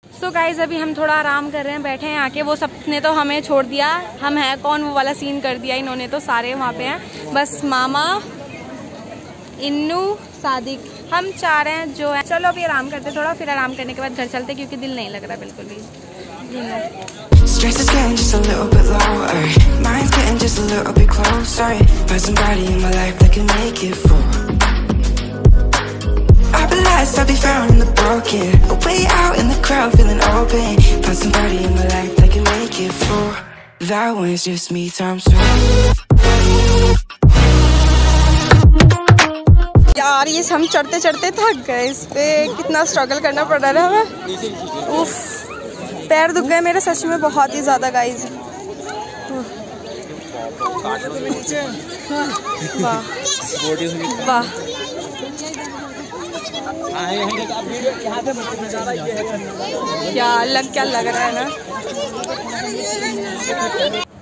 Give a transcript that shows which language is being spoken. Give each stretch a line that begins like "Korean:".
Hindi: तो गाइज अभी हम थोड़ा आराम कर रहे हैं, बैठे हैं आके। वो सबने तो हमें छोड़ दिया, हम है कौन वो वाला सीन कर दिया इन्होंने तो, सारे वहाँ पे हैं, बस मामा, इन्नू, सादिक, हम चार हैं जो हैं। चलो अभी आराम करते हैं थोड़ा, फिर आराम करने के बाद घर चलते हैं क्योंकि दिल नहीं लग रहा बिल्कुल भी।
English: Stress is getting just a little bit lower. Mind's getting just a little bit closer. Find somebody in my life that can make it full. I'll be lost, I'll be found in the broken. A way out in the crowd, feeling open. Find somebody in my life that can make it full. That one's just me, time's right.
Hindi: यार ये हम चढ़ते चढ़ते थक गए, इस पे कितना स्ट्रगल करना पड़ रहा है हमें। उफ पैर दुख गए मेरे सच में बहुत ही ज़्यादा गाइस। वाह क्या लग, क्या लग रहा है ना।